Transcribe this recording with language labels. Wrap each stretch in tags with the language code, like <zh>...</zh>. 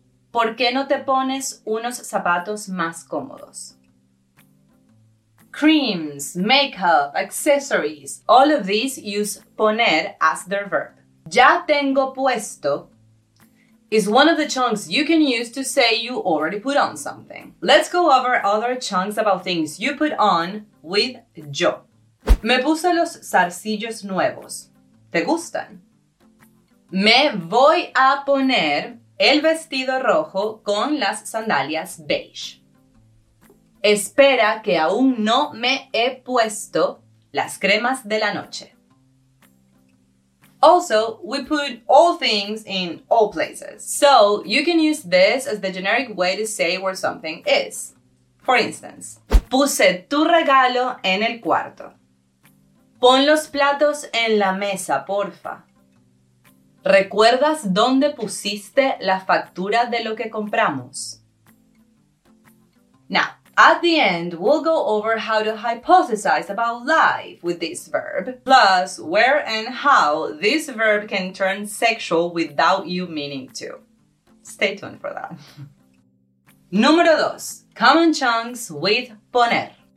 <es>¿Por qué no te pones unos zapatos más cómodos?</es> <en>Creams, makeup, accessories, all of these use poner as their verb.</en> <es>Ya tengo puesto</es> <en>is one of the chunks you can use to say you already put on something. Let's go over other chunks about things you put on with yo.</en> <es>Me puse los zarcillos nuevos. ¿Te gustan? Me voy a poner el vestido rojo con las sandalias beige. Espera que aún no me he puesto las cremas de la noche.</es> <en>Also, we put all things in all places. So, you can use this as the generic way to say where something is. For instance,</en> <es>puse tu regalo en el cuarto. Pon los platos en la mesa, porfa. ¿Recuerdas dónde pusiste la factura de lo que compramos?</es> <en>Now, at the end, we'll go over how to hypothesize about life with this verb, plus where and how this verb can turn sexual without you meaning to. Stay tuned for that.</en> <es>Número dos.</es> <en>Common chunks with poner.</en>